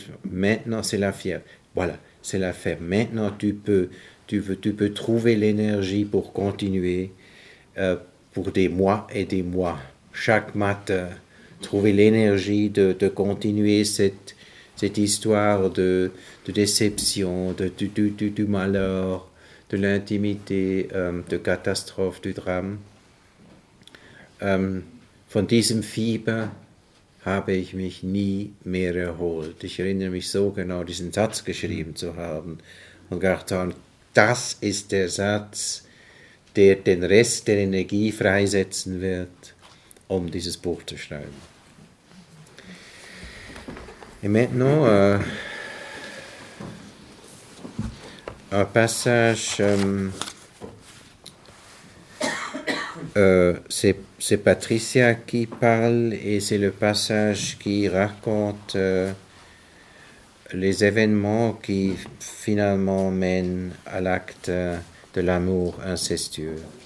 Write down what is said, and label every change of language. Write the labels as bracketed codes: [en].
[fr] Maintenant, c'est la fièvre. Voilà. C'est l'affaire. Maintenant, tu peux trouver l'énergie pour continuer pour des mois et des mois. Chaque matin, trouver l'énergie de continuer cette histoire de déception, du malheur, de l'intimité, de catastrophe, du drame. [de] Von diesem Fieber habe ich mich nie mehr erholt. Ich erinnere mich so genau, diesen Satz geschrieben zu haben. Und Garton, das ist der Satz, der den Rest der Energie freisetzen wird, um dieses Buch zu schreiben. [fr] Et maintenant, un passage, c'est Patricia qui parle et c'est le passage qui raconte les événements qui finalement mènent à l'acte de l'amour incestueux.